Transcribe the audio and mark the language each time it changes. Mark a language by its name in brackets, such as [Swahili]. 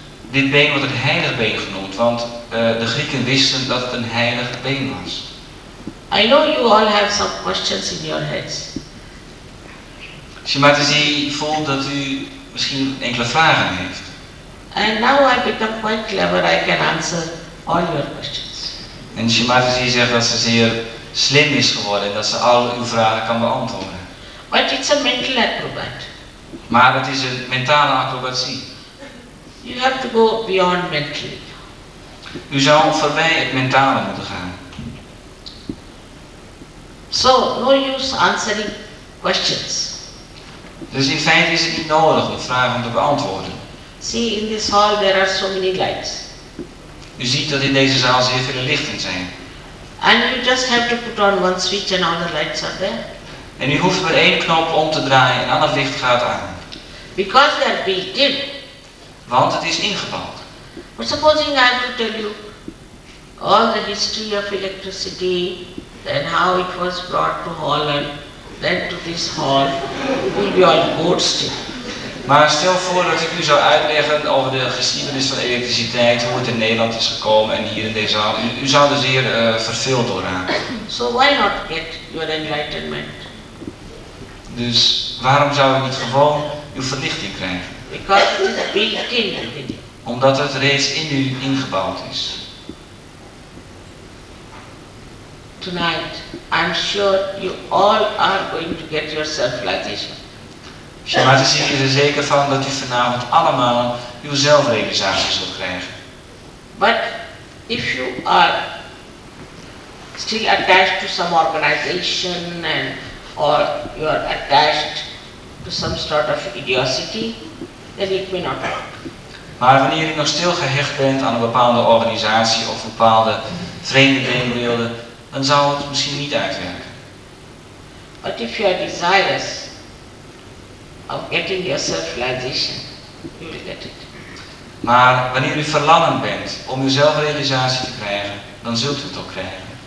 [Dutch] Dit been wordt het heilig been genoemd, want de Grieken wisten dat het een heilig been was. [English] I know you all have some questions in your heads. [Dutch] Shimataji voelt dat u misschien enkele vragen heeft. [English] And now I become quite clever, I can answer all your questions. [Dutch] En Shimataji zegt dat ze zeer slim is geworden en dat ze al uw vragen kan beantwoorden. [English] But it's a mental acrobat. [Dutch] Maar het is een mentale acrobatie. [English] You have to go beyond mentally. [Dutch] U zou voorbij het mentale moeten gaan. [English] So, no use answering questions. [Dutch] Dus in feite is het niet nodig om vragen te beantwoorden. [English] See, in this hall there are so many lights. [Dutch] U ziet dat in deze zaal zeer veel lichten zijn. [English] And you just have to put on one switch and all the lights are there. [Dutch] En u hoeft maar één knop om te draaien en al het licht gaat aan. [English] Because they are being dim. [Dutch] Want het is ingebouwd. [English] But supposing I have to tell you all the history of electricity, then how it was brought to Holland, then to this hall, will be all bored still. [Dutch] Maar stel voor dat ik u zou uitleggen over de geschiedenis van elektriciteit, hoe het in Nederland is gekomen en hier in deze zaal. U zou er zeer verveeld door raken. [English] So why not get your enlightenment? [Dutch] Dus waarom zou u niet gewoon uw verlichting krijgen? [English] Because it is built in you. [Dutch] Omdat het reeds in u ingebouwd is. [English] Tonight, I'm sure you all are going to get your self-realization. [Dutch] Shamatisi is er zeker van dat u vanavond allemaal uw zelfrealisatie zult krijgen. [English] But if you are still attached to some organization and or you are attached to some sort of idiocy, then it may not happen. [Dutch] Maar wanneer u nog stil gehecht bent aan een bepaalde organisatie of bepaalde vreemde denkbeelden, dan zou het misschien niet uitwerken. [English] But if you are desirous of getting your self-realization, you will get it. [Dutch] Maar wanneer u verlangend bent om uw zelfrealisatie te krijgen, dan zult u het ook krijgen.